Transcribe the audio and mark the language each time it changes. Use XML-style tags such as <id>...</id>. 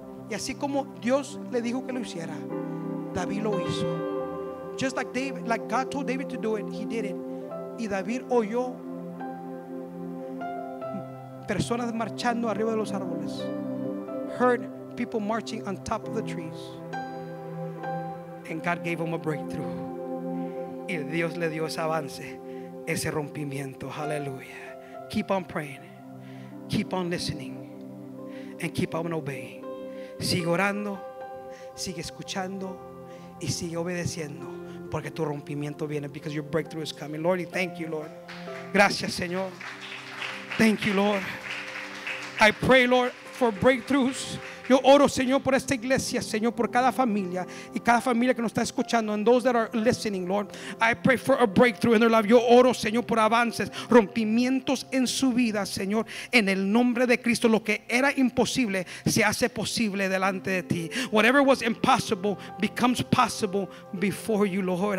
<es>Y así como Dios le dijo que lo hiciera, David lo hizo.</es> <en>Just like David, like God told David to do it, he did it.</en> <es>Y David oyó personas marchando arriba de los árboles.</es> <en>Heard people marching on top of the trees. And God gave him a breakthrough.</en> <es>Y Dios le dio ese avance, ese rompimiento.</es> <en>Hallelujah. Keep on praying. Keep on listening. And keep on obeying.</en> <es>Sigue orando, sigue escuchando y sigue obedeciendo. Porque tu rompimiento viene.</es> <en>Because your breakthrough is coming. Lord, thank you, Lord.</en> <es>Gracias, Señor.</es> <en>Thank you, Lord. I pray, Lord, for breakthroughs.</en> <es>Yo oro, Señor, por esta iglesia, Señor, por cada familia y cada familia que nos está escuchando,</es> <en>and those that are listening, Lord. I pray for a breakthrough in their life.</en> <es>Yo oro, Señor, por avances, rompimientos en su vida, Señor, en el nombre de Cristo. Lo que era imposible se hace posible delante de ti.</es> <en>Whatever was impossible becomes possible before you, Lord.</en>